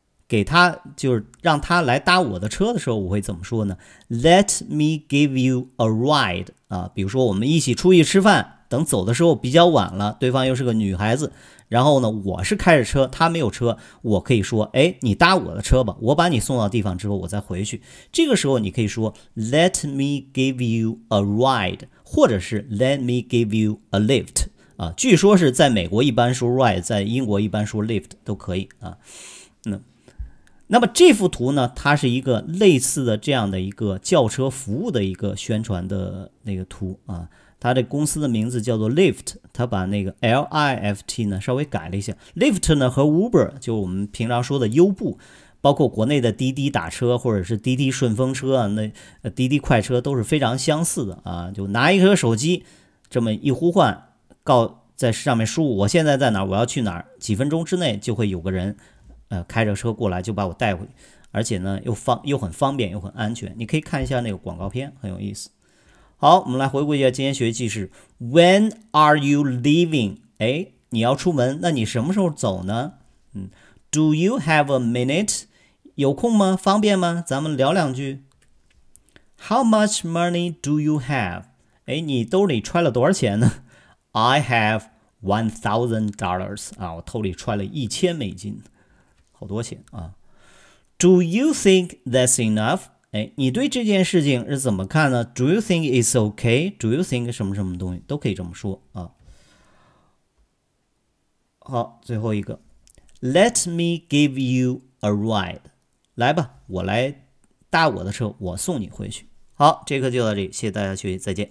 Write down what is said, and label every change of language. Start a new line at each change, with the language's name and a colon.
Chinese: 给他就是让他来搭我的车的时候，我会怎么说呢 ？
English: Let me give you a ride
Chinese: 啊，比如说我们一起出去吃饭，等走的时候比较晚了，对方又是个女孩子，然后呢，我是开着车，他没有车，我可以说，哎，你搭我的车吧，我把你送到地方之后，我再回去。这个时候你可以说
English: Let me give you a ride，
Chinese: 或者是
English: Let me give you a lift。
Chinese: 啊，据说是在美国一般说 ride， 在英国一般说 lift 都可以啊。那么这幅图呢，它是一个类似的这样的一个轿车服务的一个宣传的那个图啊。它的公司的名字叫做 Lyft， 它把那个 LIFT 呢稍微改了一下。 Lyft 呢和 Uber 就我们平常说的优步，包括国内的滴滴打车或者是滴滴顺风车啊，那滴滴快车都是非常相似的啊，就拿一个手机这么一呼唤。在上面输入我现在在哪儿，我要去哪儿，几分钟之内就会有个人，开着车过来就把我带回，而且呢又很方便又很安全。你可以看一下那个广告片，很有意思。好，我们来回顾一下今天学记是
English: When are you leaving？
Chinese: 哎，你要出门，那你什么时候走呢？
English: Do you have a minute？
Chinese: 有空吗？方便吗？咱们聊两句。
English: How much money do you have？
Chinese: 哎，你兜里揣了多少钱呢？
English: I have $1,000
Chinese: 啊，我兜里揣了$1,000，好多钱啊。
English: Do you think that's enough？
Chinese: 哎，你对这件事情是怎么看呢 ？
English: Do you think it's okay？
Chinese: Do you think 什么什么东西都可以这么说啊。好，最后一个 ，
English: Let me give you a ride，
Chinese: 来吧，我来搭我的车，我送你回去。好，这课就到这里，谢谢大家学习，再见。